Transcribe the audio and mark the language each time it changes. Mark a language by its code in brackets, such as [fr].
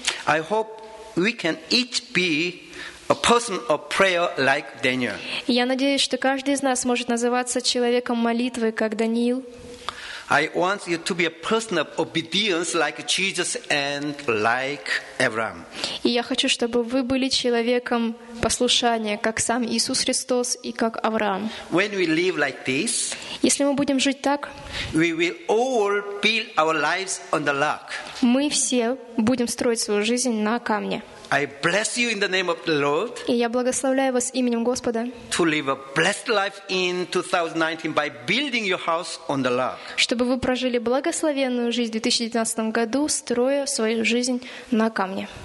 [en] I hope we can each be a person of prayer like Daniel. [ru] Я надеюсь, что каждый из нас может называться человеком молитвы, как Даниил. [en] I want you to be a person of obedience like Jesus and like Abraham. [ru] И я хочу, чтобы вы были человеком послушания, как сам Иисус Христос и как Авраам. [en] When we live like this, [ru] если мы будем жить так, [en] we will all build our lives on the rock. [ru] Мы все будем строить свою жизнь на камне. [en] I bless you in the name of the Lord. [ru] И я благословляю вас именем Господа. [en] To live a blessed life in 2019 by building your house on the rock. [ru] Чтобы вы прожили благословенную жизнь в 2019 году, строя свою жизнь на камне.